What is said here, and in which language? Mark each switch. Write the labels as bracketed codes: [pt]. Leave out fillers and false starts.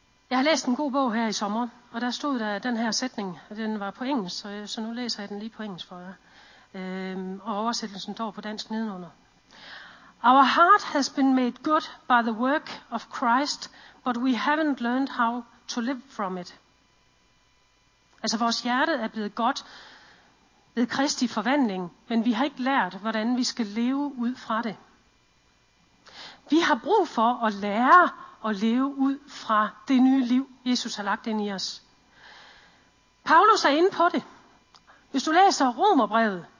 [da] Jeg har læst en god bog her i sommer, og der stod der den her sætning, den var på engelsk, så nu læser jeg den lige på engelsk for jer. Og oversættelsen står på dansk nedenunder. [en] Our heart has been made good by the work of Christ, but we haven't learned how to live from it. [da] Altså vores hjerte er blevet godt ved Kristi forvandling, men vi har ikke lært, hvordan vi skal leve ud fra det. Vi har brug for at lære og leve ud fra det nye liv, Jesus har lagt ind i os. Paulus er inde på det. Hvis du læser Romerbrevet,